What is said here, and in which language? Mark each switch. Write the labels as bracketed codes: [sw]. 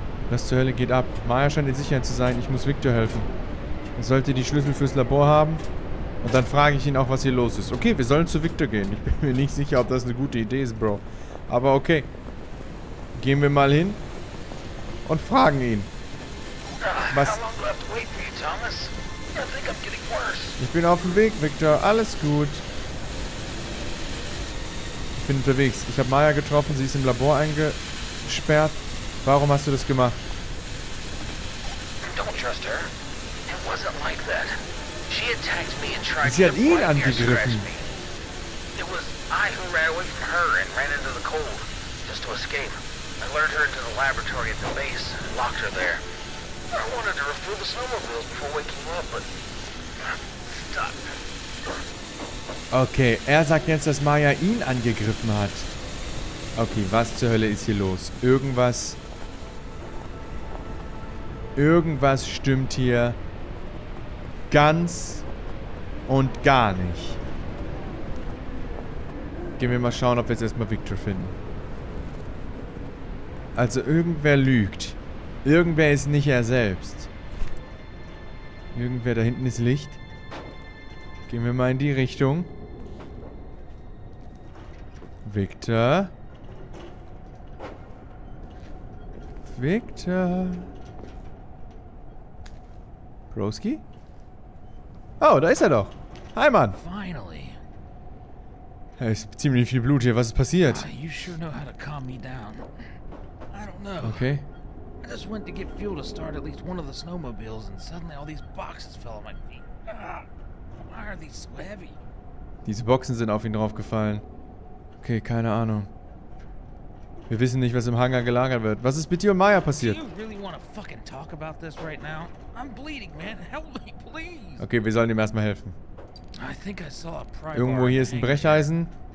[de] Was zur Hölle geht ab? Maya scheint in Sicherheit zu sein, ich muss Victor helfen. Er sollte die Schlüssel fürs Labor haben und dann frage ich ihn auch, was hier los ist. Okay, wir sollen zu Victor gehen. Ich bin mir nicht sicher, ob das eine gute Idee ist, Bro. Aber okay, gehen wir mal hin und fragen ihn. Was? [en] How long do I have to wait for you, Thomas? I think I'm getting worse. [de] Ich bin auf dem Weg, Victor. Alles gut. Ich bin unterwegs. Ich habe Maya getroffen. Sie ist im Labor eingesperrt. Warum hast du das gemacht? [en] Don't trust her. It wasn't like that. She attacked me and tried [de] sie hat ihn angegriffen. [en] It was I who ran away from her and ran into the cold, just to escape. I lured her into the laboratory at the base and locked her there. I wanted to refuel the snowmobiles before waking up, but stuck. [de] Okay, er sagt jetzt, dass Maya ihn angegriffen hat. Okay, was zur Hölle ist hier los? Irgendwas stimmt hier ganz und gar nicht. Gehen wir mal schauen, ob wir jetzt erstmal Victor finden. Also irgendwer lügt. Irgendwer ist nicht er selbst. Irgendwer, da hinten ist Licht. Gehen wir mal in die Richtung. Victor. Victor. Broski? Oh, da ist er doch. Hi, Mann. [en] Finally. [de] Da ist ziemlich viel Blut hier. Was ist passiert? [en] You sure know how to calm me down. I don't know. Okay. I just went to get fuel to start at least one of the snowmobiles and suddenly all these boxes fell on my feet. Ugh. Why are these so heavy? [de] Diese Boxen sind auf ihn draufgefallen. Okay, keine Ahnung. Wir wissen nicht, was im Hangar gelagert wird. Was ist mit dir und Maya passiert? [en] Do you really want to fucking talk about this right now? I'm bleeding, man. Help me, please. [de] Okay, wir sollen ihm erstmal helfen. [en] I think I saw a pry [de] Irgendwo hier ist ein Brecheisen.